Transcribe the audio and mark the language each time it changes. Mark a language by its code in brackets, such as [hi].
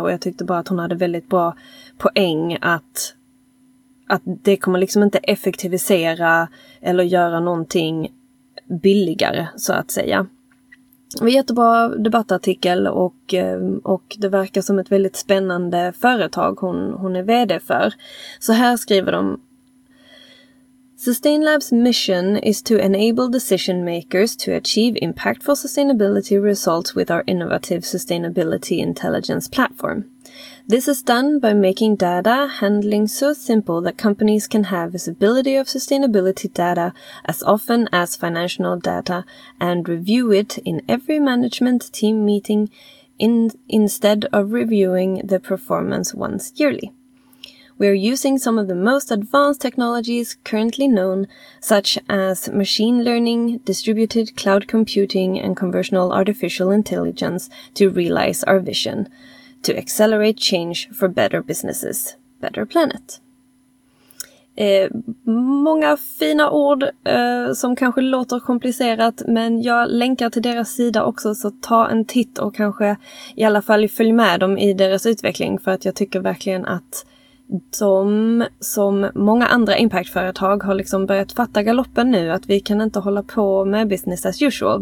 [sv] Och jag tyckte bara att hon hade väldigt bra poäng att det kommer liksom inte effektivisera eller göra någonting billigare så att säga. Det var en jättebra debattartikel och det verkar som ett väldigt spännande företag hon är vd för. Så här skriver de. [en] Sustainlab's mission is to enable decision makers to achieve impactful sustainability results with our innovative sustainability intelligence platform. This is done by making data handling so simple that companies can have visibility of sustainability data as often as financial data and review it in every management team meeting instead of reviewing the performance once yearly. We are using some of the most advanced technologies currently known, such as machine learning, distributed cloud computing, and conversational artificial intelligence to realize our vision, to accelerate change for better businesses, better planet. [sv] Många fina ord som kanske låter komplicerat, men jag länkar till deras sida också, så ta en titt och kanske i alla fall följ med dem i deras utveckling, för att jag tycker verkligen att de som många andra impactföretag har liksom börjat fatta galoppen nu, att vi kan inte hålla på med [en] business as usual.